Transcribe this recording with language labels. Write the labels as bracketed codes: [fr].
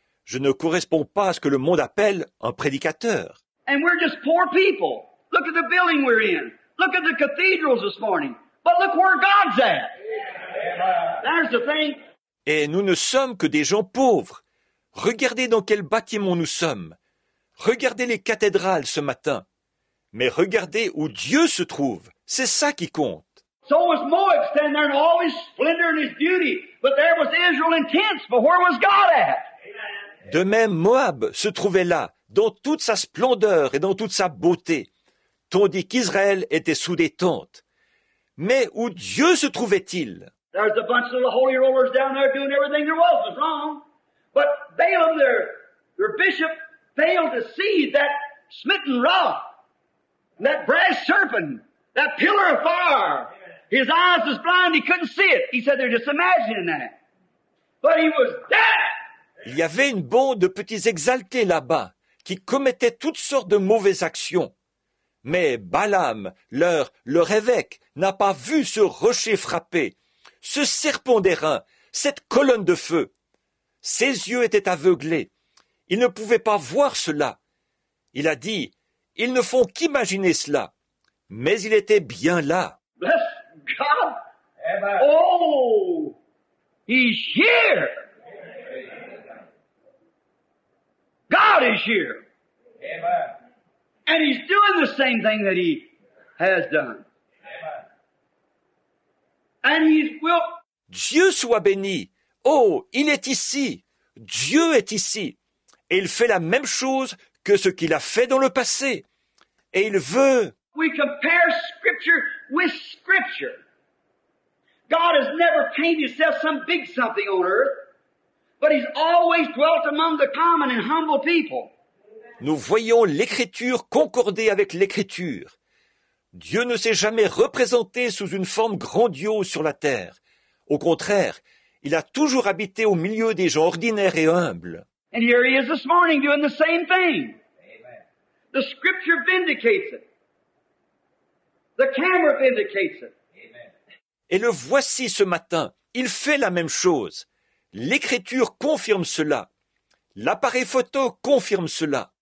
[fr] Je ne correspond pas à ce que le monde appelle un prédicateur. [en] And we're just poor people. Look at the building we're in. Look at the cathedrals this morning. But look where God's at. There's the thing. [fr] Et nous ne sommes que des gens pauvres. Regardez dans quel bâtiment nous sommes. Regardez les cathédrales ce matin. Mais regardez où Dieu se trouve. C'est ça qui compte. [en] So was Moab standing there in all his splendor and his beauty. But there was Israel in tents. But where was God at? [fr] De même, Moab se trouvait là, dans toute sa splendeur et dans toute sa beauté, tandis qu'Israël était sous des tentes. Mais où Dieu se trouvait-il? [en] There's a bunch of the holy rollers down there doing everything there was wrong. But Balaam, their bishop, failed to see that smitten rock, that brass serpent, that pillar of fire. His eyes was blind, he couldn't see it. He said, they're just imagining that. But he was dead. [fr] Il y avait une bande de petits exaltés là-bas qui commettaient toutes sortes de mauvaises actions. Mais Balaam, leur évêque, n'a pas vu ce rocher frappé, ce serpent d'airain, cette colonne de feu. Ses yeux étaient aveuglés. Il ne pouvait pas voir cela. Il a dit, ils ne font qu'imaginer cela. Mais il était bien là. [en] Bless God. Oh, he's here. God is here. Amen. And he's doing the same thing that he has done. Amen. And he's will. [fr] Dieu soit béni. Oh, il est ici. Dieu est ici. Et il fait la même chose que ce qu'il a fait dans le passé. Et il veut. [en] We compare scripture with scripture. God has never painted himself some big something on earth. But he's always dwelt among the common and humble people. [fr] Nous voyons l'Écriture concorder avec l'Écriture. Dieu ne s'est jamais représenté sous une forme grandiose sur la terre. Au contraire, il a toujours habité au milieu des gens ordinaires et humbles. [en] And here he is this morning doing the same thing. Amen. The Scripture vindicates it. The camera vindicates it. Amen. [fr] Et le voici ce matin. Il fait la même chose. L'Écriture confirme cela. L'appareil photo confirme cela.